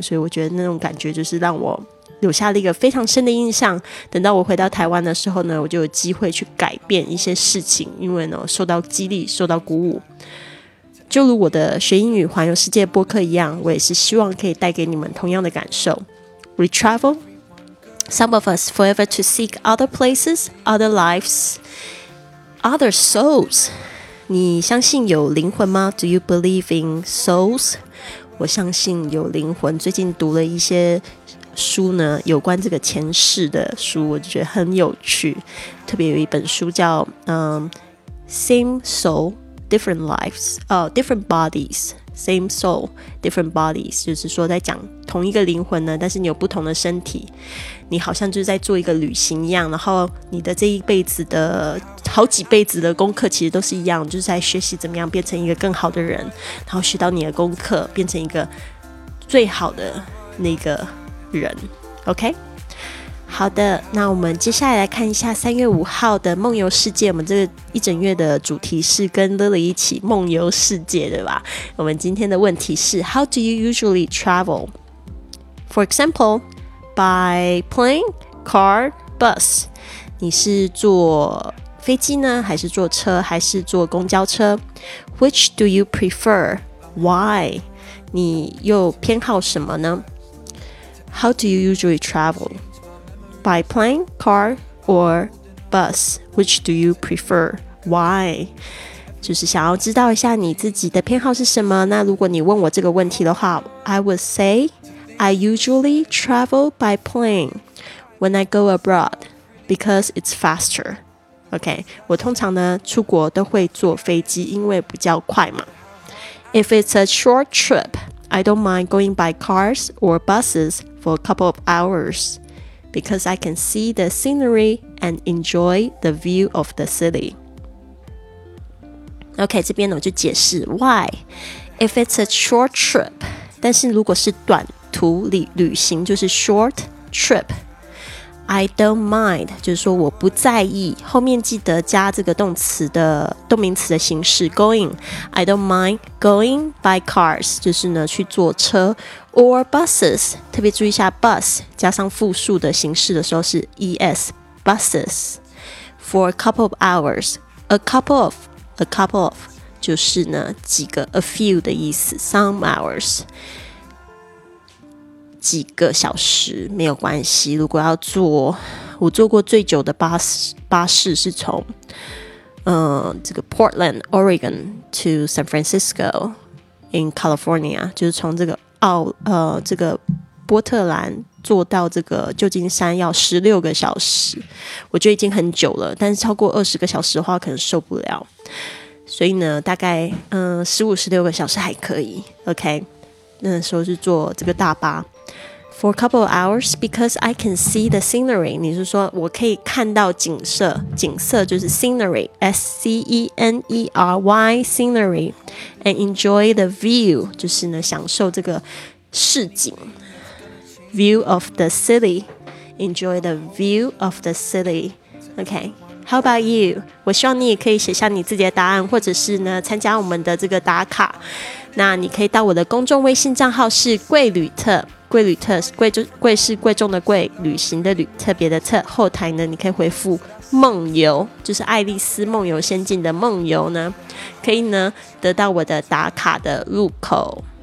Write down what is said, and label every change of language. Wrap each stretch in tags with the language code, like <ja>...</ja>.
<zh>所以我觉得那种感觉就是让我留下了一个非常深的印象。等到我回到台湾的时候呢，我就有机会去改变一些事情，因为呢受到激励，受到鼓舞。就如我的学英语环游世界播客一样，我也是希望可以带给你们同样的感受。</zh> <en>We travel, some of us forever to seek other places, other lives, other souls.</en> <zh>你相信有灵魂吗？</zh> <en>Do you believe in souls?</en> <zh>我相信有灵魂。最近读了一些书呢，有关这个前世的书，我觉得很有趣。特别有一本书叫Same Soul, Different Lives, Different Bodies, Same Soul, Different Bodies, 就是说在讲同一个灵魂呢，但是你有不同的身体，你好像就是在做一个旅行一样，然后你的这一辈子的好几辈子的功课其实都是一样，就是在学习怎么样变成一个更好的人，然后学到你的功课，变成一个最好的那个人， OK。好的，那我们接下来来看一下3月5号的梦游世界。我们这个一整月的主题是跟 Lily 一起梦游世界，对吧？我们今天的问题是</zh> <en>How do you usually travel? For example, by plane, car, bus.</en> <zh>你是坐飞机呢，还是坐车，还是坐公交车？</zh> <en>Which do you prefer? Why?</en> <zh>你又偏好什么呢？</zh> <en>How do you usually travel? By plane, car, or bus? Which do you prefer? Why?</en> <zh>就是想要知道一下你自己的偏好是什么。那如果你问我这个问题的话，</zh> <en>I would say I usually travel by plane when I go abroad because it's faster.</en> <zh>OK, 我通常呢出国都会坐飞机，因为比较快嘛。</zh> <en>If it's a short trip, I don't mind going by cars or buses for a couple of hours because I can see the scenery and enjoy the view of the city.</en> <zh>OK, 这边我就解释 why.</zh> <en>If it's a short trip,</en> <zh>但是如果是短途旅行，就是 short trip,</zh> <en>I don't mind,</en> <zh>就是说我不在意，后面记得加这个动词的动名词的形式 going.</zh> <en>I don't mind going by cars,</en> <zh>就是呢去坐车</zh> <en>or buses,</en> <zh>特别注意一下 bus 加上复数的形式的时候是 es, buses,</zh> <en>for a couple of hours, a couple of,</en> <zh>就是呢几个</zh> <en>a few</en> <zh>的意思</zh> <en>some hours,</en> <zh>几个小时没有关系。如果要坐，我坐过最久的巴士是从这个 Portland, Oregon to San Francisco in California, 就是从这个这个波特兰坐到这个旧金山要16个小时，我觉得已经很久了，但是超过20个小时的话可能受不了，所以呢大概15-16个小时还可以。</zh> <en>OK,</en> <zh>那时候是坐这个大巴</zh> <en>For a couple of hours, because I can see the scenery.</en> <zh>你是说我可以看到景色，景色就是 scenery, S-C-E-N-E-R-Y, scenery,</zh> <en>and enjoy the view,</en> <zh>就是呢享受这个市景</zh> <en>view of the city, enjoy the view of the city. Okay, how about you?</en> <zh>我希望你也可以写下你自己的答案，或者是呢参加我们的这个打卡。那你可以到我的公众微信账号是贵旅特。贵旅特，贵是贵重的贵，旅行的旅，特别的特。后台呢你可以回复梦游，就是爱丽丝梦游仙境的梦游呢，可以呢得到我的打卡的入口。</zh>